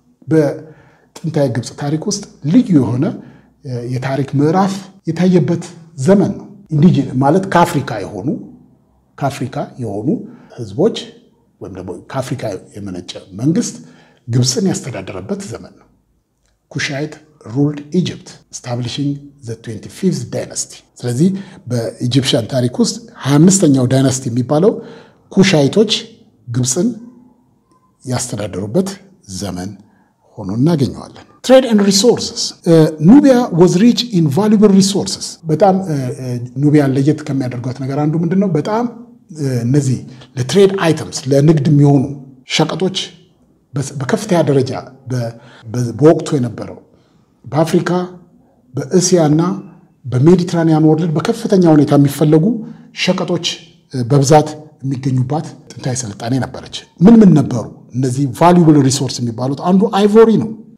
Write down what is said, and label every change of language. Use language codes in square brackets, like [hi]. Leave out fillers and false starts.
[am] በጥንታዊ ግብጽ ታሪክ ውስጥ ልዩ የሆነ የታሪክ ምዕራፍ የታየበት ዘመን ነው። ኢንዲጂነስ ማለት ከአፍሪካ የሆኑ ህዝቦች ወይም ደግሞ ከአፍሪካ የመነጨ መንግስት ግብጽን ያስተዳደረበት ዘመን ነው። [en] Kushite ruled Egypt, establishing the 25th dynasty. [am] ስለዚ በኢጂፕሽን ታሪክ ውስጥ 25ኛው ዳይናስቲ የሚባለው ኩሻይቶች ግብጽን ያስተዳደሩበት ዘመን ሆኖ እናገኘዋለን። [en] Trade and resources. Nubia was rich in valuable resources. [am] በጣም ኑቢያን ለየት ከሚያደርጓት ነገር አንዱ ምንድነው? በጣም እነዚህ ለትሬድ አይተምስ ለንግድ የሚሆኑ ሸቀጦች በከፍተኛ ደረጃ በወቅቱ የነበረው በአፍሪካ በእስያና በሜዲትራኒያን ወርልድ በከፍተኛ ሁኔታ የሚፈለጉ ሸቀጦች በብዛት የሚገኙባት ጥንታዊ ስልጣኔ ነበረች። ምን ነበሩ እነዚህ ቫልዩብል ሪሶርስ የሚባሉት አንዱ አይቮሪ ነው።